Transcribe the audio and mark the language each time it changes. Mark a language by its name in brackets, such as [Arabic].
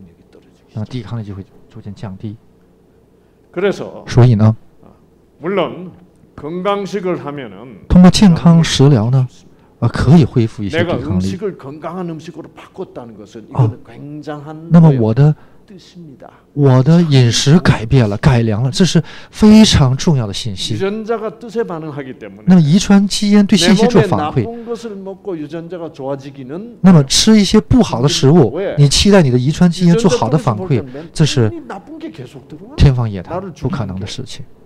[Chinese] 啊，凡事都厌世，灰心，啊，吃东西，啊，也不讲究了，随便吃。那么，T淋巴里的细胞呢，非常的敏感，啊，我的主人是，我的主人是对健康毫无顾忌的人，那么他们也会怠慢懈慢，那抵抗力就会逐渐降低。 [Korean] 그래서 [Chinese] 所以呢, [Korean] 물론 건강식을 하면은 통과 [Chinese] 健康食疗呢 可以恢复一些 [Korean] 내가 음식을 건강한 음식으로 바꿨다는 것은 이건 굉장한 뜻입니다. [Chinese] 我的饮食改变了，改良了，这是非常重要的信息. [Korean] 유전자가 뜻에 반응하기 때문에. [Chinese] 那遗传基因对信息做反馈. [Korean] 내 몸에 나쁜 것을 먹고 유전자가 좋아지기는. [Chinese] 那么吃一些不好的食物, 你期待你的遗传基因做好的反馈, 这是 天方夜谭，不可能的事情.